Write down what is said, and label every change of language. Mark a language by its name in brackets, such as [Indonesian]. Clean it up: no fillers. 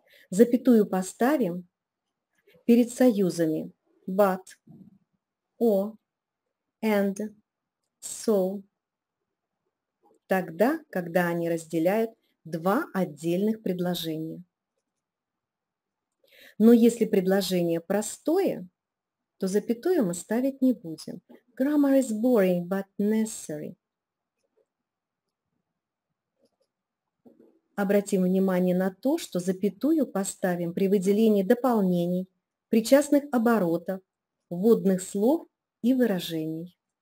[Russian] Запятую поставим перед союзами «but», «o», «and», «so», тогда, когда они разделяют два отдельных предложения. Но если предложение простое, то запятую мы ставить не будем. [English] Grammar is boring, but necessary. [Russian] Обратим внимание на то, что запятую поставим при выделении дополнений, причастных оборотов, вводных слов и выражений.